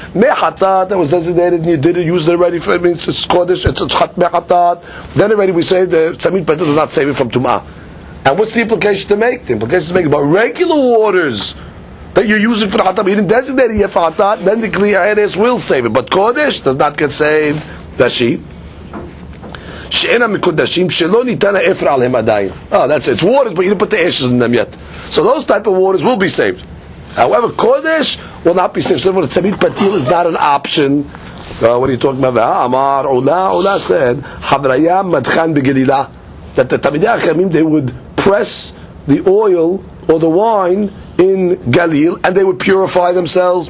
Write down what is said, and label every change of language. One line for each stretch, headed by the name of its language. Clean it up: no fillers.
English: Mehatat, that was designated and you didn't use it already for, I mean, it's Kodesh, it's Hat Mehatat. Then already we say the Tzemim Patil does not save it from Tum'ah. And what's the implication to make? The implication to make about regular waters that you're using for Hatat, but you didn't designate it yet for Hatat, then the Kli Ha'eres will save it. But Kodesh does not get saved. That's she.
Hebrew: שאינם מקודשים שלא ניתן האפר עליהם עדיין.
English: Oh, that's it. It's waters, but you didn't put the ashes in them yet. So those type of waters will be saved. However, Kodesh will not be saved. So therefore, Tzemit Patil is not an option. What are you talking about? Amar, Ula said,
Aramaic: Havraya Madchan Begelila.
English: That the Tamidei HaChamim, they would press the oil or the wine in Galil, and they would purify themselves.